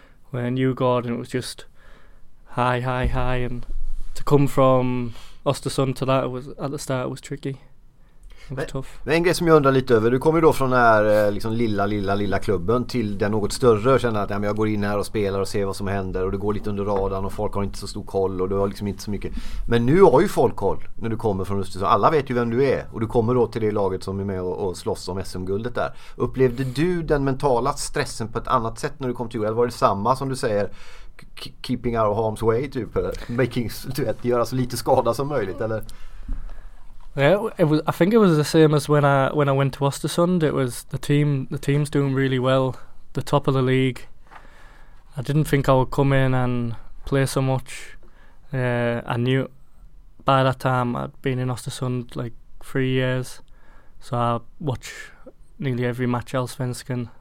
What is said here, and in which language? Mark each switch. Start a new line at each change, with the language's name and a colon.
English: Where in Djurgården it was just high, high, high, and to come from Östersund to that, it was, at the start, it was tricky.
Swedish: Men en grej som jag undrar lite över, du kommer ju då från den här liksom lilla klubben till den något större och känner att ja, men jag går in här och spelar och ser vad som händer och det går lite under radarn och folk har inte så stor koll och du har liksom inte så mycket. Men nu har ju folk koll när du kommer från Östersund. Alla vet ju vem du är och du kommer då till det laget som är med och slåss om SM-guldet där. Upplevde du den mentala stressen på ett annat sätt när du kom till Jorden? Var det samma som du säger,
English: keeping out of harm's way
Swedish: typ, eller
English: making,
Swedish: du vet, göra så lite skada som möjligt eller?
English: Yeah, it was. I think it was the same as when I went to Östersund. It was the team's doing really well, the top of the league. I didn't think I would come in and play so much. I knew by that time I'd been in Östersund like 3 years, so I watch nearly every match Allsvenskan.